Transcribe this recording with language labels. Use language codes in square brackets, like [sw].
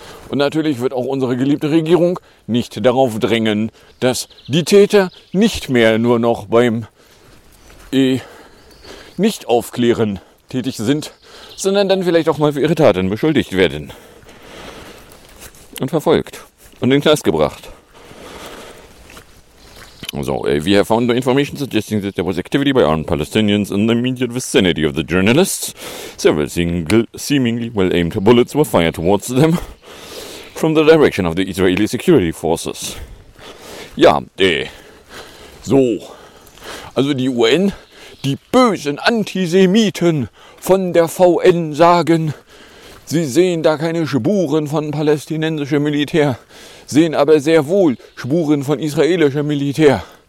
[de] Und natürlich wird auch unsere geliebte Regierung nicht darauf drängen, dass die Täter nicht mehr nur noch beim Nicht-Aufklären tätig sind, sondern dann vielleicht auch mal für ihre Taten beschuldigt werden. Und verfolgt. Und in den Knast gebracht. [en] So, we have found information suggesting that there was activity by armed Palestinians in the immediate vicinity of the journalists. Several seemingly well-aimed bullets were fired towards them from the direction of the Israeli security forces. [de] Ja, so. Also die UN, die bösen Antisemiten von der VN sagen, sie sehen da keine Spuren von palästinensischem Militär, sehen aber sehr wohl Spuren von israelischem Militär.